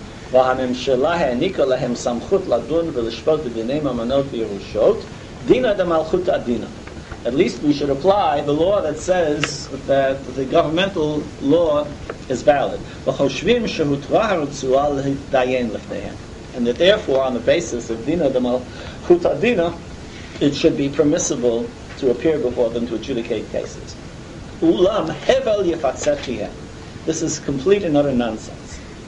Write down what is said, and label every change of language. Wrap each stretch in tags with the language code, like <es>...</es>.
<he>והממשלה העניקה להם סמכות לדון ולשפוט בדיני ממנות וירושות דינה דמלכות הדינה.</he> <en>At least we should apply the law that says that the governmental law is valid.</en> <he>וחושבים שהותרה הרצועה להתדיין לפניהם.</he> <en>And that therefore on the basis of דינה דמלכות הדינה it should be permissible to appear before them to adjudicate cases.</en> <he>אולם הבל יפצחיהם.</he> <en>This is complete and utter nonsense.</en>